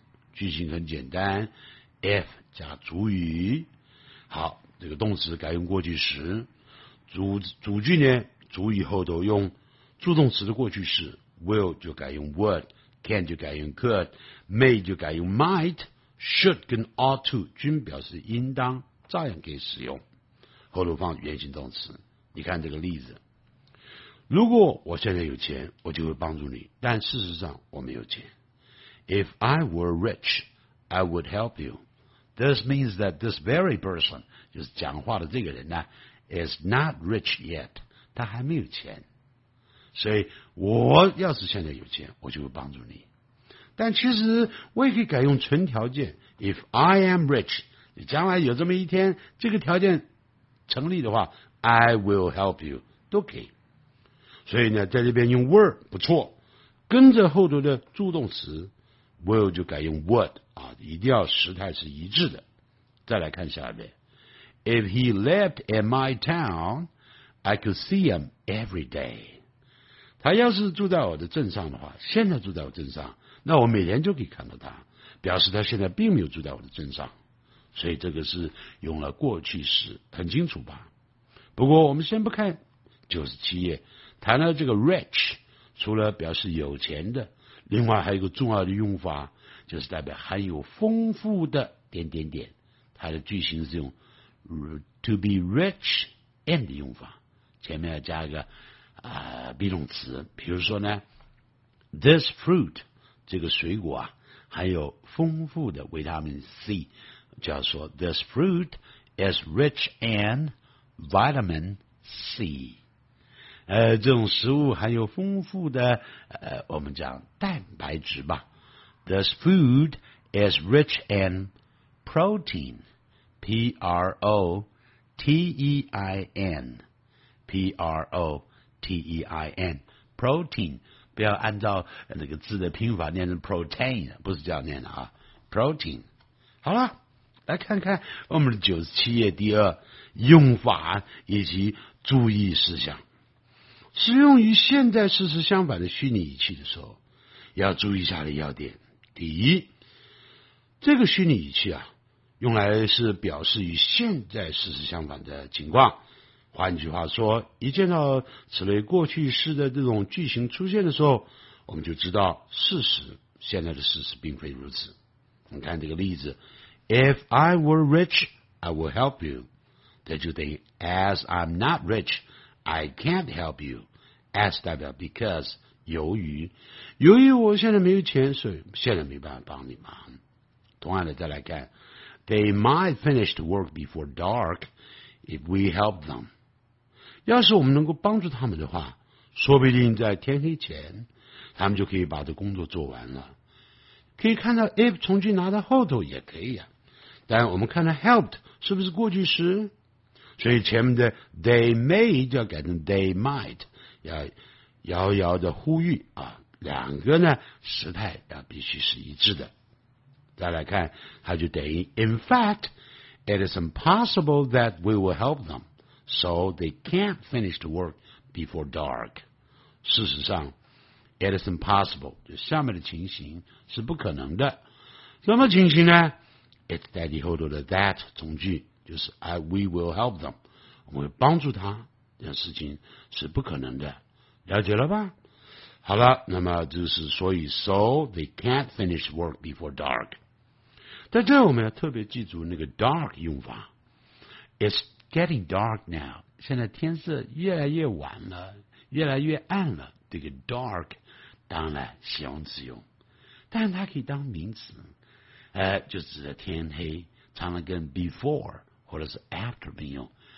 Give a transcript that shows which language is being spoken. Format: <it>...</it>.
<zh>句型很简单， if 加主语，好，这个动词改用过去时， 主句呢，主语后头用助动词的过去式， will 就改用 would， can 就改用 could， may 就改用 might， should 跟 ought to 均表示应当，照样可以使用。后头放原形动词，你看这个例子，如果我现在有钱我就会帮助你，但事实上我没有钱。</zh> <en>If I were rich, I would help you. This means that this very person,</en> <zh>就是讲话的这个人呢，</zh> <en>is not rich yet.</en> <zh>他还没有钱。所以我要是现在有钱，我就会帮助你。但其实我也可以改用纯条件。</zh> <en>If I am rich,</en> <zh>将来有这么一天，这个条件成立的话，</zh> <en>I will help you,</en> <zh>都可以。所以呢，在这边用 were 不错，跟着后头的助动词Will 就改用 would 啊，一定要时态是一致的。</zh> <en>再来看下面， If he lived in my town, I could see him every day.</en> <zh>他要是住在我的镇上的话，现在住在我镇上，那我每天就可以看到他，表示他现在并没有住在我的镇上。所以这个是用了过去时，很清楚吧。不过我们先不看97页，谈了这个 rich， 除了表示有钱的，另外还有一个重要的用法，就是代表含有丰富的点点点。它的句型是用 to be rich and 的用法，前面要加一个be 动词。比如说呢，</zh> <en>this fruit</en> <zh>这个水果啊，含有丰富的维他命 C， 就要说</zh> <en>this fruit is rich in vitamin C。</en> <zh>这种食物含有丰富的我们讲蛋白质吧。</zh> <en>This food is rich in protein, P-R-O-T-E-I-N, P-R-O-T-E-I-N, protein,</en> <zh>不要按照那个字的拼法念成</zh> <en>protein,</en> <zh>不是这样念的啊，</zh> <en>protein。</en> <zh>好了，来看看我们的97页第二用法以及注意事项。使用与现在事实相反的虚拟语气的时候，要注意下的要点。第一，这个虚拟语气啊，用来是表示与现在事实相反的情况。换句话说，一见到此类过去式的这种句型出现的时候，我们就知道事实，现在的事实并非如此。</zh> <en>你看这个例子， If I were rich, I would help you. 这就等于 As I'm not rich, I can't help you.</en> <zh>As 代表 because，由于我现在没有钱，所以现在没办法帮你忙。同样的，再来看</zh> <en>They might finish the work before dark if we help them，</en> <zh>要是我们能够帮助他们的话，说不定在天黑前他们就可以把这工作做完了。可以看到 if 从句拿到后头也可以啊，但我们看到 helped 是不是过去时，所以前面的 they may 就要改成 they might， 要遥遥的呼吁啊，两个呢时态要必须是一致的。</zh> <en>再来看，它就等于 In fact, it is impossible that we will help them, so they can't finish the work before dark.</en> <zh>事实上 ，</zh> <en>it is impossible，</en> <zh>就下面的情形是不可能的。什么情形呢 ？It 代替后头的 that 从句，就是</zh> <en>we will help them，</en> <zh>我们会帮助他，这件事情是不可能的。了解了吧？好了，那么就是所以</zh> <en>，so they can't finish work before dark。</en> <zh>在这我们要特别记住那个 dark 用法。</zh> <en>It's getting dark now。</en> <zh>现在天色越来越晚了，越来越暗了。这个 dark 当然形容词用，但它可以当名词，就指的天黑，常常跟 before 或者是 after 并用。</zh>